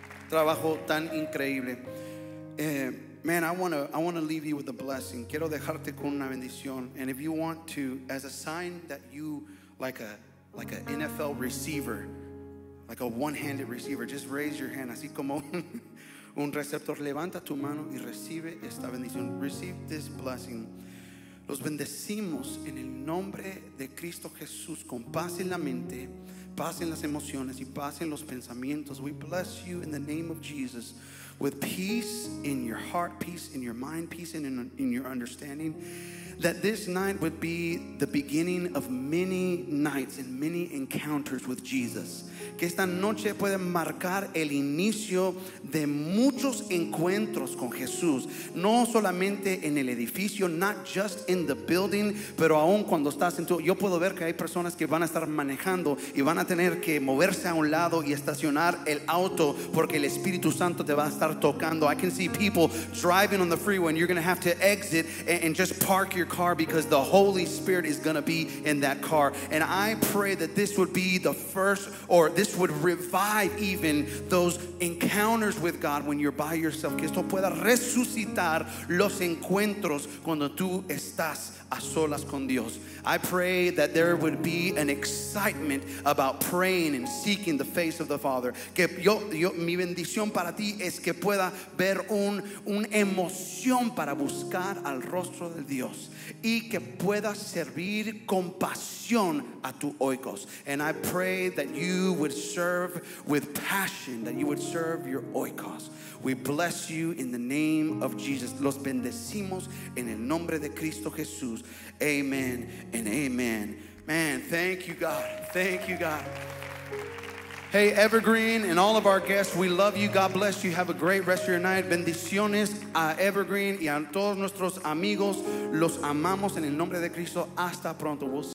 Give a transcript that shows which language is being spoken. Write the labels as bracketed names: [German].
[Spanish] Trabajo tan increíble. [English] Man, I want to leave you with a blessing. [Spanish] Quiero dejarte con una bendición. [English] And if you want to, as a sign that you, like a NFL receiver, like a one-handed receiver, just raise your hand. [Spanish] Así como un receptor, levanta tu mano y recibe esta bendición. [English] Receive this blessing. [Spanish] Los bendecimos en el nombre de Cristo Jesús, con paz en la mente, paz en las emociones y paz en los pensamientos. [English] We bless you in the name of Jesus. With peace in your heart, peace in your mind, peace in your understanding. That this night would be the beginning of many nights and many encounters with Jesus. [Spanish] Que esta noche puede marcar el inicio de muchos encuentros con Jesús. No solamente en el edificio, [English] not just in the building, [Spanish] pero aún cuando estás en tu... Yo puedo ver que hay personas que van a estar manejando y van a tener que moverse a un lado y estacionar el auto porque el Espíritu Santo te va a estar tocando. [English] I can see people driving on the freeway and you're going to have to exit and just park your car because the Holy Spirit is going to be in that car. And I pray that this would be the first, or this would revive even those encounters with God when you're by yourself. [Spanish] Que esto pueda resucitar los encuentros cuando tú estás a solas con Dios. [English] I pray that there would be an excitement about praying and seeking the face of the Father. [Spanish] Que yo mi bendición para ti es que pueda ver un emoción para buscar al rostro de Dios y que pueda servir con pasión a tu oikos. [English] And I pray that you would serve with passion, that you would serve your oikos. We bless you in the name of Jesus. [Spanish] Los bendecimos en el nombre de Cristo Jesús. [English] Amen and amen. Man, thank you, God. Thank you, God. Hey, Evergreen and all of our guests, we love you. God bless you. Have a great rest of your night. [Spanish] Bendiciones a Evergreen y a todos nuestros amigos. Los amamos en el nombre de Cristo. Hasta pronto. [English] We'll see.